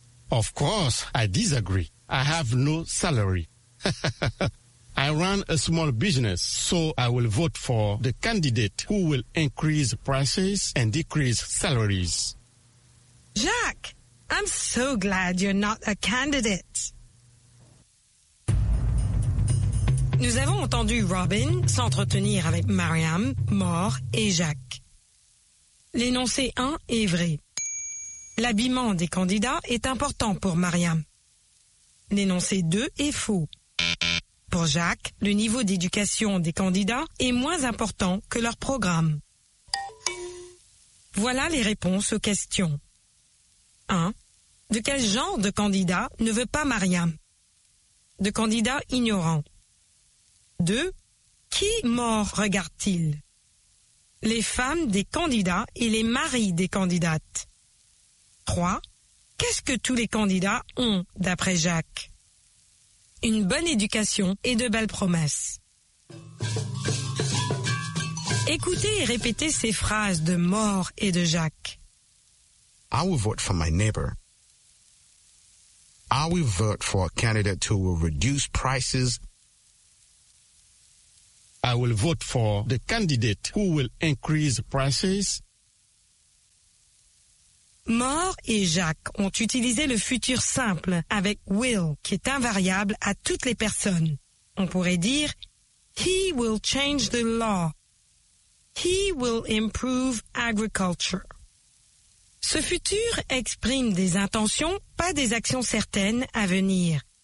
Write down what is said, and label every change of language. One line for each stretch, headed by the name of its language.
English: Of course, I disagree. I have no salary. I run a small business, so I will vote for the candidate who will increase prices and decrease salaries. Jacques, I'm so glad you're not a candidate.
French: Nous avons entendu Robin s'entretenir avec Mariam, Maur et Jacques. L'énoncé 1 est vrai. L'habillement des candidats est important pour Mariam. L'énoncé 2 est faux. Pour Jacques, le niveau d'éducation des candidats est moins important que leur programme. Voilà les réponses aux questions. 1. De quel genre de candidat ne veut pas Mariam? De candidat ignorant. 2. Qui mort regarde-t-il? Les femmes des candidats et les maris des candidates. 3. Qu'est-ce que tous les candidats ont, d'après Jacques? Une bonne éducation et de belles promesses. Écoutez et répétez ces phrases de mort et de Jacques.
English: I will vote for my neighbor. I will vote for a candidate who will reduce prices. I will vote for the candidate who will increase prices.
French: Maur et Jacques ont utilisé le futur simple avec will, qui est invariable à toutes les personnes. On pourrait dire,
English: he will change the law. He will improve agriculture.
French: Ce futur exprime des intentions, pas des actions certaines à venir.